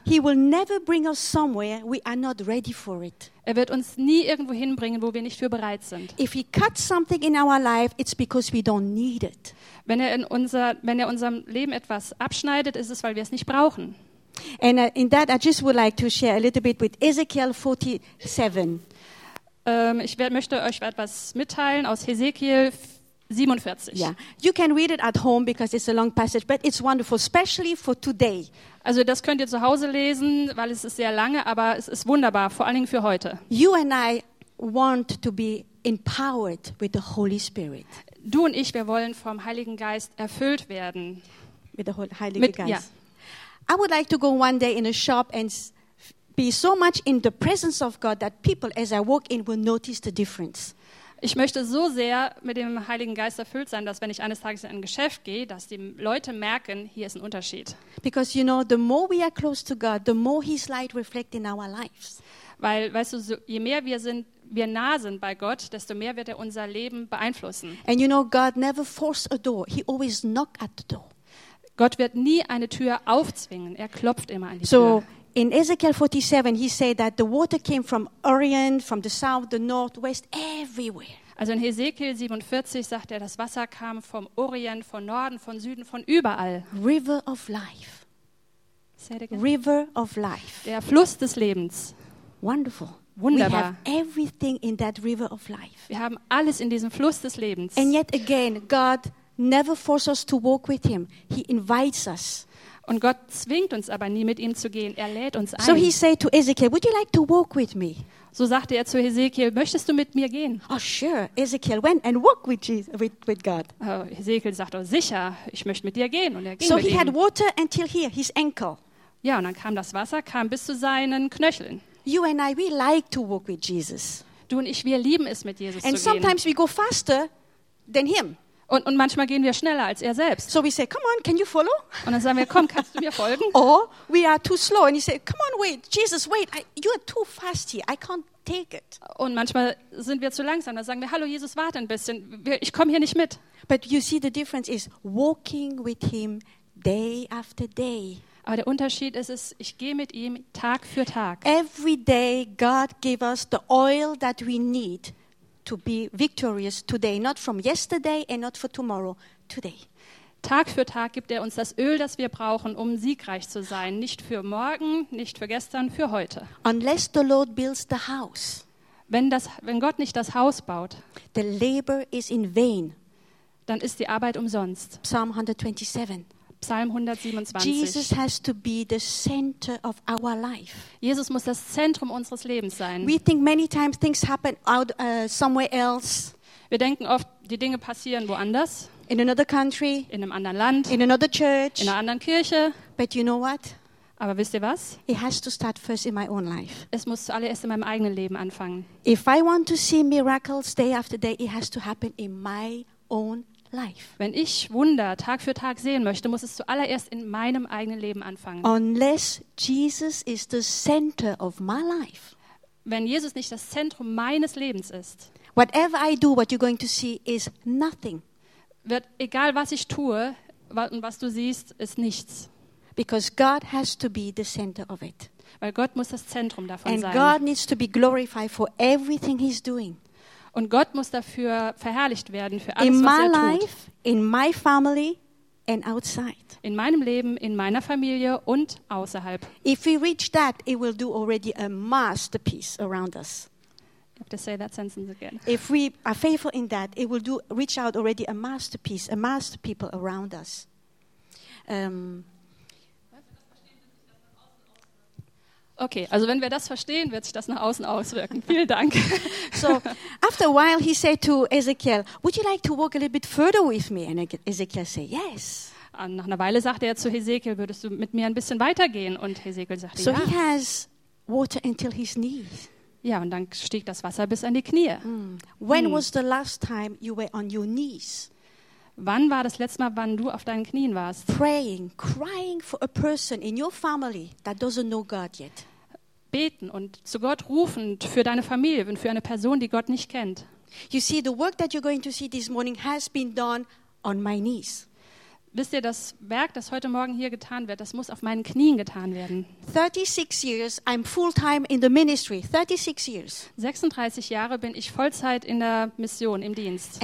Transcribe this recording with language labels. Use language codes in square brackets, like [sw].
[en] He will never bring us somewhere we are not ready for it. [de] Er wird uns nie irgendwo hinbringen, wo wir nicht für bereit sind. [en] If he cuts something in our life, it's because we don't need it. [de] Wenn er unserem Leben etwas abschneidet, ist es, weil wir es nicht brauchen. [en] And in that I just would like to share a little bit with Ezekiel 47. [de] Möchte euch etwas mitteilen aus Hesekiel 47. [en] Yeah. You can read it at home because it's a long passage, but it's wonderful, especially for today. [de] Also das könnt ihr zu Hause lesen, weil es ist sehr lange, aber es ist wunderbar, vor allen Dingen für heute. [en] You and I want to be empowered with the Holy Spirit. [de] Du und ich, wir wollen vom Heiligen Geist erfüllt werden. [en] With the Heiligen Geist. Yeah. I would like to go one day in a shop and be so much in the presence of God that people as I walk in will notice the difference. [de] Ich möchte so sehr mit dem Heiligen Geist erfüllt sein, dass wenn ich eines Tages in ein Geschäft gehe, dass die Leute merken, hier ist ein Unterschied. [en] Because you know, the more we are close to God, the more his light reflects in our lives. [de] Weil weißt du, so, je mehr wir nah sind bei Gott, desto mehr wird er unser Leben beeinflussen. [en] And you know, God never forced a door. He always knocked at the door. [de] Gott wird nie eine Tür aufzwingen. Er klopft immer an die so, Tür. [en] In Ezekiel 47, he said that the water came from Orient, from the south, the north, west, everywhere. [de] Also in Hesekiel 47 sagt er, das Wasser kam vom Orient, von Norden, von Süden, von überall. [en] River of life. Say it again. River of life. [de] Der Fluss des Lebens. [en] Wonderful. [de] Wunderbar. [en] We have everything in that river of life. [de] Wir haben alles in diesem Fluss des Lebens. [en] And yet again, God never forces us to walk with him. He invites us. [de] Und Gott zwingt uns aber nie, mit ihm zu gehen. Er lädt uns ein. [en] So he said to Ezekiel, would you like to walk with me? [de] So sagte er zu Hesekiel, möchtest du mit mir gehen? [en] Oh sure, Ezekiel went and walked with Jesus, with God. [de] Hesekiel sagte, oh, sicher, ich möchte mit dir gehen, und er ging so mit ihm. [en] So he had water until here, his ankle. [de] Ja, und dann kam das Wasser, kam bis zu seinen Knöcheln. [en] You and I, we like to walk with Jesus. [de] Du und ich, wir lieben es, mit Jesus [en] and [de] zu gehen. [en] And sometimes we go faster than him. [de] Und manchmal gehen wir schneller als er selbst. [en] So we say, come on, can you follow? [de] Und dann sagen wir, komm, kannst du mir folgen? [en] Or we are too slow and you say, come on, wait, Jesus, wait, you are too fast here, I can't take it. [de] Und manchmal sind wir zu langsam, dann sagen wir, hallo Jesus, warte ein bisschen, ich komme hier nicht mit. [en] But you see, the difference is walking with him day after day. [de] Aber der Unterschied ist, ich gehe mit ihm Tag für Tag. [en] Every day God gives us the oil that we need to be victorious today, not from yesterday and not for tomorrow, today. [de] Tag für Tag gibt er uns das Öl, das wir brauchen, um siegreich zu sein. Nicht für morgen, nicht für gestern, für heute. [en] Unless the Lord builds the house. [de] Wenn Gott nicht das Haus baut, [en] the labor is in vain. [de] Dann ist die Arbeit umsonst. [en] Psalm 127. Jesus has to be the center of our life. [de] Jesus muss das Zentrum unseres Lebens sein. [en] We think many times things happen out somewhere else. [de] Wir denken oft, die Dinge passieren woanders. [en] In another country. [de] In einem anderen Land. [en] In another church. [de] In einer anderen Kirche. [en] But you know what? [de] Aber wisst ihr was? [en] It has to start first in my own life. [de] Es muss zuallererst in meinem eigenen Leben anfangen. [en] If I want to see miracles day after day, it has to happen in my own life. [de] Wenn ich Wunder Tag für Tag sehen möchte, muss es zuallererst in meinem eigenen Leben anfangen. [en] Unless Jesus is the center of my life. [de] Wenn Jesus nicht das Zentrum meines Lebens ist, [en] whatever I do, what you're going to see is nothing. [de] Wird egal was ich tue und was du siehst, ist nichts. [en] Because God has to be the center of it. [de] Weil Gott muss das Zentrum davon [en] and [de] sein. [en] And God needs to be glorified for everything he's doing. [de] Und Gott muss dafür verherrlicht werden für alles, in was er tut. [en] Life, in my family and outside. [de] In meinem Leben, in meiner Familie und außerhalb. [en] If we reach that, it will do already a masterpiece around us. I have to say that sentence again. If we are faithful in that, it will do reach out already a masterpiece, a masterpiece around us. [de] Okay, also wenn wir das verstehen, wird sich das nach außen auswirken. Vielen Dank. [en] So, after a while, he said to Ezekiel, would you like to walk a little bit further with me? And Ezekiel said, yes. [de] Und nach einer Weile sagte er zu Ezekiel, würdest du mit mir ein bisschen weitergehen? Und Ezekiel sagte, so ja. [en] He has water until his knees. [de] Ja, und dann stieg das Wasser bis an die Knie. [en] When was the last time you were on your knees? [de] Wann war das letzte Mal, wann du auf deinen Knien warst? [en] Praying, crying for a person in your family that doesn't know God yet. [de] Beten und zu Gott rufend für deine Familie und für eine Person, die Gott nicht kennt. [en] You see, the work that you're going to see this morning has been done on my knees. [de] Wisst ihr, das Werk, das heute Morgen hier getan wird, das muss auf meinen Knien getan werden. [en] 36 years, I'm full-time in the ministry. 36 years. [de] 36 Jahre bin ich Vollzeit in der Mission, im Dienst.